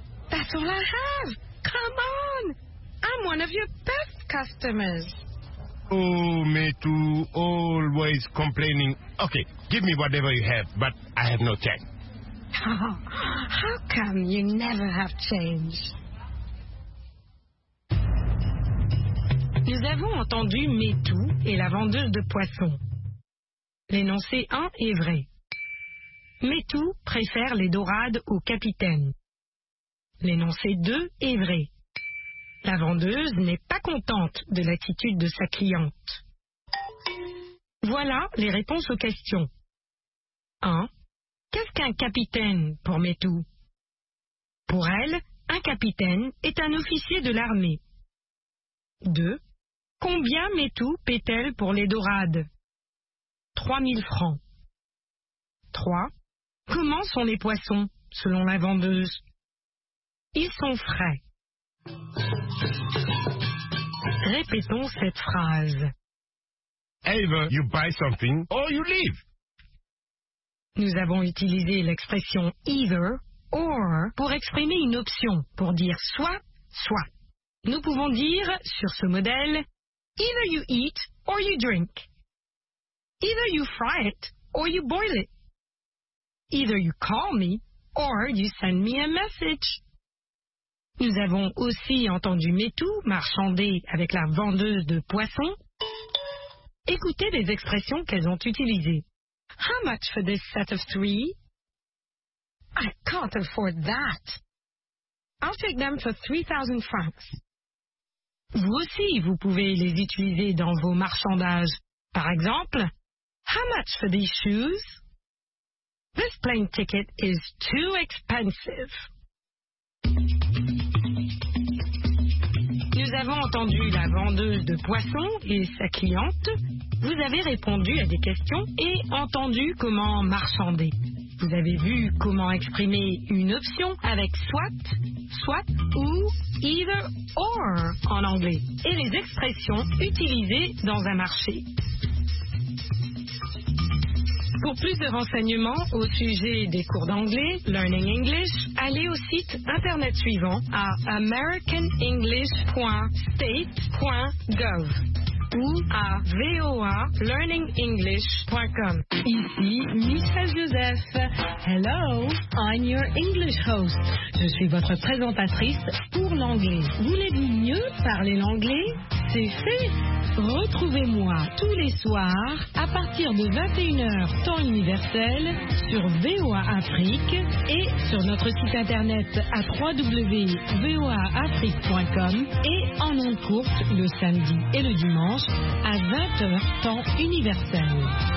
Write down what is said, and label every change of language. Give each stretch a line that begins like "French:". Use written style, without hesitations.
English: That's all I have. Come on. I'm one of your best customers. Oh, Métou, always complaining. Okay, give me whatever you have, but I have no change. How come you never have change?
French: Nous avons entendu Métou et la vendeuse de poissons. L'énoncé 1 est vrai. Métou préfère les dorades au capitaine. L'énoncé 2 est vrai. La vendeuse n'est pas contente de l'attitude de sa cliente. Voilà les réponses aux questions. 1. Qu'est-ce qu'un capitaine pour Métou? Pour elle, un capitaine est un officier de l'armée. 2. Combien Métou paie-t-elle pour les dorades? 3000 francs. 3. Comment sont les poissons, selon la vendeuse? Ils sont frais. Répétons cette phrase.
English: Either you buy something or you leave.
French: Nous avons utilisé l'expression either or pour exprimer une option, pour dire soit, soit. Nous pouvons dire, sur ce modèle,
English: either you eat or you drink. Either you fry it or you boil it. Either you call me or you send me a message.
French: Nous avons aussi entendu Métou marchander avec la vendeuse de poissons. Écoutez les expressions qu'elles ont utilisées.
English: How much for this set of three? I can't afford that. I'll take them for 3,000 francs.
French: Vous aussi, vous pouvez les utiliser dans vos marchandages. Par exemple,
English: how much for these shoes? This plane ticket is too expensive.
French: Nous avons entendu la vendeuse de poissons et sa cliente. Vous avez répondu à des questions et entendu comment marchander. Vous avez vu comment exprimer une option avec soit, soit ou either or en anglais et les expressions utilisées dans un marché. Pour plus de renseignements au sujet des cours d'anglais, Learning English, allez au site internet suivant à americanenglish.state.gov ou à voalearningenglish.com. Ici Michel Joseph.
English: Hello, I'm your English host.
French: Je suis votre présentatrice pour l'anglais. Voulez-vous mieux parler l'anglais? C'est fait. Retrouvez-moi tous les soirs à partir de 21h temps universel sur VOA Afrique et sur notre site internet à www.voaafrique.com et en ondes courtes le samedi et le dimanche à 20h temps universel.